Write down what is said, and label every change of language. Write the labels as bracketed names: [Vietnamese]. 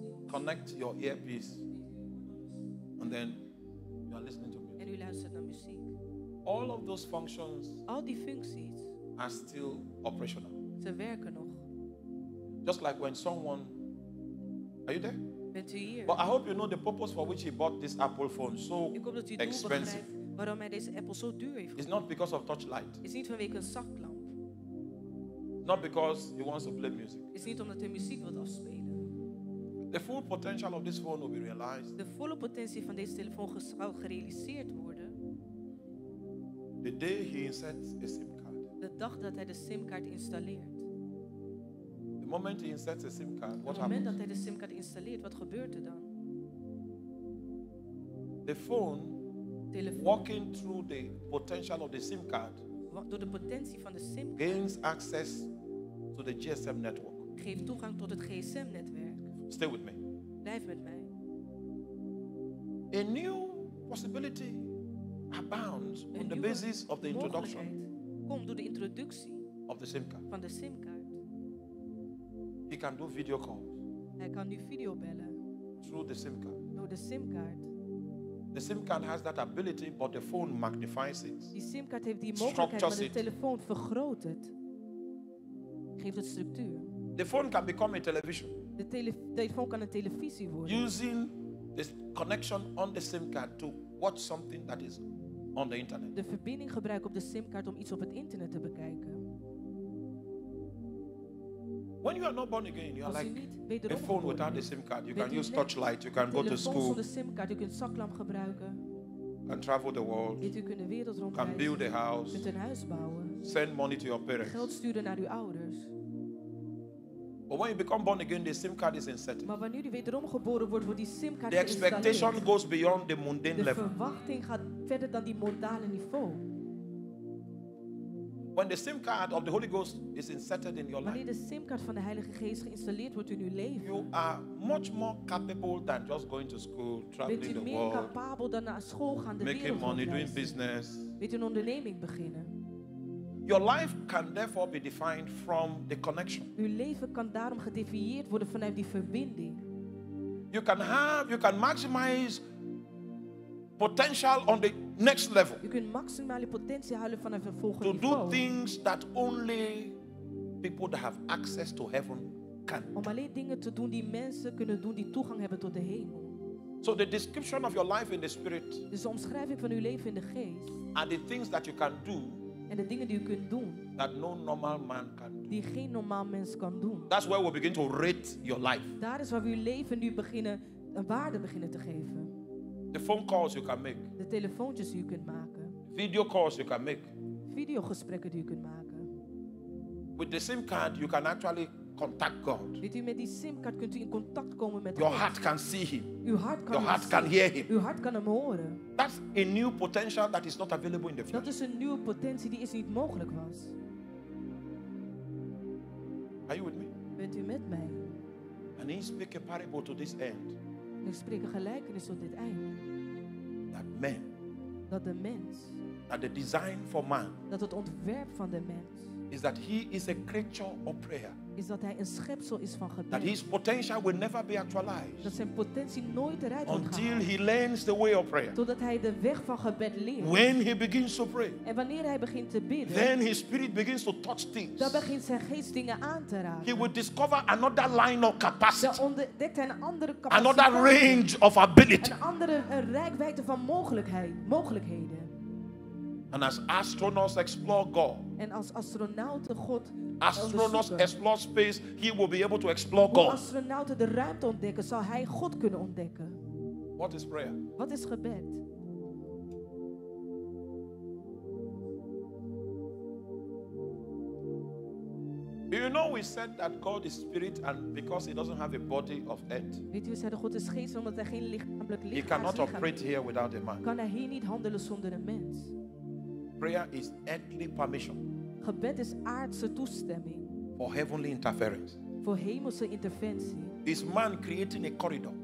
[English] Connect your earpiece. And then you are listening to music. And you listen to music. All of those functions, all the functions are still operational. [Dutch] Ze werken nog. [English] Just like when someone, are you there? [Dutch] Bent u hier? [English] But I hope you know the purpose for which he bought this Apple phone so [Dutch] ik hoop dat u [English] expensive. [Dutch] Waarom hij deze Apple zo duur heeft. [English] It's not because of touch light. [Dutch] Is niet vanwege een zaklamp. [English] Not because he wants to play music. [Dutch] Is niet omdat hij muziek wil afspelen. [English] The full potential of this phone will be realized. [Dutch] De volle potentie van deze telefoon zal gerealiseerd worden. [English] The day he inserts a SIM card. [Dutch] De dag dat hij de SIM-kaart installeert. [English] The moment he inserts a SIM card, what happens? [Dutch] Dat hij de SIM-kaart installeert, wat gebeurt er dan? [English] The phone, [Dutch] telefoon, [English] walking through the potential of the SIM card, [Dutch] door de potentie van de SIM card, [English] gains access to the GSM network. [Dutch] Geeft toegang tot het GSM-netwerk. [English] Stay with me. [Dutch] Blijf met mij. [English] A new possibility abounds on the basis of the introduction. [Dutch] Komt door de introductie [English] of the SIM card. [Dutch] Van de SIM card. [English] He can do video calls. [Dutch] Hij kan nu video bellen. [English] Through the SIM card. [Dutch] Door de SIM card. [English] The SIM card has that ability, but the phone magnifies it. [Dutch] Die SIM card heeft die mogelijkheid, maar de telefoon vergroot het. Geeft het structuur. [English] The phone can become a television. [Dutch] De telefoon kan een televisie worden. [English] Using this connection on the SIM card to watch something that is on the internet. [Dutch] De verbinding gebruiken op de SIM card om iets op het internet te bekijken. [English] When you are not born again, you are like a phone without a SIM card. You can use touch light. You can go to school. You can [Dutch] zaklamp gebruiken. [English] Can travel the world. You can build a house. [Dutch] Een huis bouwen. [English] send money to your parents. [Dutch] Geld sturen naar uw ouders. [English] But when you become born again, the SIM card is inserted. [Dutch] Maar wanneer u wederom geboren wordt, wordt die SIM card geïnstalleerd. [English] The expectation goes beyond the mundane level. [Dutch] De verwachting gaat verder dan die mondale niveau. [English] When the SIM card of the Holy Ghost is inserted in your life, [Dutch] wanneer de SIM card van de Heilige Geest geïnstalleerd wordt in uw leven, [English] you are much more capable than just going to school, traveling the world. [Dutch] Bent u meer capabel dan naar school gaan, de wereld [English] making money, doing business. [Dutch] Met een onderneming beginnen. [English] Your life can therefore be defined from the connection. [Dutch] Uw leven kan daarom gedefinieerd worden vanuit die verbinding. [English] You can have, you can maximize potential on the next level. [Dutch] U kunt maximale potentie halen vanaf een volgende [English] to [Dutch] niveau. [English] To do things that only people that have access to heaven can. [Dutch] Om alleen dingen te doen die mensen kunnen doen die toegang hebben tot de hemel. [English] So the description of your life in the spirit. [Dutch] Dus de omschrijving van uw leven in de geest. [English] And the things that you can do. [Dutch] En de dingen die u kunt doen. [English] That no normal man can do. [Dutch] Die geen normaal mens kan doen. [English] That's where we begin to rate your life. [Dutch] Daar is waar we uw leven nu beginnen een waarde beginnen te geven. [English] The phone calls you can make. [Dutch] De telefoontjes die u kunt maken. [English] Video calls you can make. [Dutch] Videogesprekken die u kunt maken. [English] With the SIM card you can actually contact God. [Dutch] Weet u, met die SIM-card kunt u in contact komen met [English] your God. Heart can see him. [Dutch] Uw hart kan [English] your heart can hear him. [Dutch] Uw hart kan hem horen. [English] That's a new potential that is not available in the future. [Dutch] Dat is een nieuwe potentie die is niet mogelijk was. [English] Are you with me? [Dutch] Bent u met mij? [English] And he speak a parable to this end. [Dutch] Ik spreek een gelijkenis tot dit eind. [English] That man. [Dutch] Dat de mens. [English] That the design for man. [Dutch] Dat het ontwerp van de mens. [English] Is that he is a creature of prayer. [Dutch] Is dat hij een schepsel is van gebed. [English] That his potential will never be actualized. [Dutch] Dat zijn potentie nooit eruit wordt gehaald. [English] Until he learns the way of prayer. [Dutch] Totdat hij de weg van gebed leert. [English] When he begins to pray. [Dutch] En wanneer hij begint te bidden. [English] Then his spirit begins to touch things. [Dutch] Dan begint zijn geest dingen aan te raken. [English] He will discover another line of capacity. [Dutch] Dan ontdekt hij een andere capaciteit. [English] Another range of ability. [Dutch] Een andere rijkwijde van mogelijkheden. [English] And as astronauts explore God. [Dutch] En als astronauten God [English] astronauts explore space, he will be able to explore God. [Dutch] Als astronauten de ruimte ontdekken, zal hij God kunnen ontdekken. [English] What is prayer? [Dutch] Wat is gebed? [English] You know we said that God is spirit and because he doesn't have a body of earth. [Dutch] Weet u, we zeiden God is geest omdat hij geen lichamelijk lichaam heeft. [English] He cannot operate here without a man. [Dutch] Kan hij hier niet handelen zonder een mens? [English] Prayer is earthly permission. [Dutch] Gebed is aardse toestemming. [English] For heavenly interference. [Dutch] Voor hemelse interventie. [English] Is man creating a corridor.